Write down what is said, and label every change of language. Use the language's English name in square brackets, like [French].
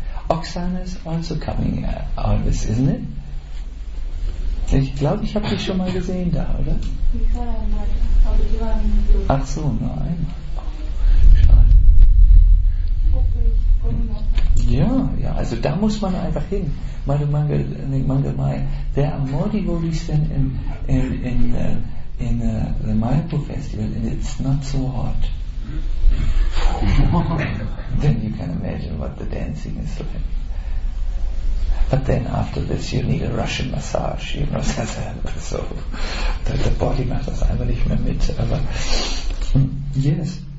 [English] Oksana is also coming always, isn't it? [German] Ich glaube, ich habe dich schon mal gesehen da, oder? Ich war einmal, aber die waren nicht so. Ach so, nur einmal. Schade. Ja, also da muss man einfach hin. Mangel Mai. [English] There are more devotees than in the Mayapur Festival, and it's not so hot. Then you can imagine what the dancing is like. But then after this you need a Russian massage, you know, so the body matters [German] einfach nicht mehr mit, aber [English] yes.